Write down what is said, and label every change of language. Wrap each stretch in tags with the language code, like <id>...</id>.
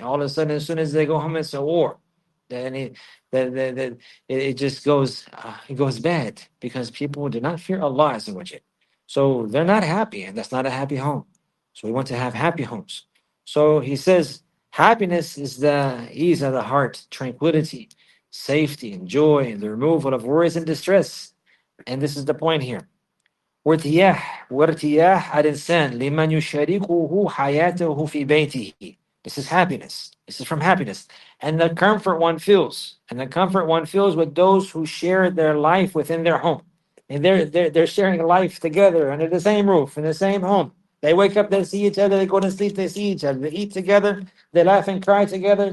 <en>All of a sudden, as soon as they go home, it's a war. Then it just goes bad because people do not fear Allah Azza wa Jalla. So they're not happy and that's not a happy home. So we want to have happy homes. So he says, happiness is the ease of the heart, tranquility, safety and joy, and the removal of worries and distress. And this is the point here.</en> <ar>وارتياح الإنسان لمن يشاركه حياته في بيته.</ar> <en>This is happiness. This is from happiness. And the comfort one feels. And the comfort one feels with those who share their life within their home. And they're sharing life together under the same roof, in the same home. They wake up, they see each other, they go to sleep, they see each other. They eat together, they laugh and cry together.</en>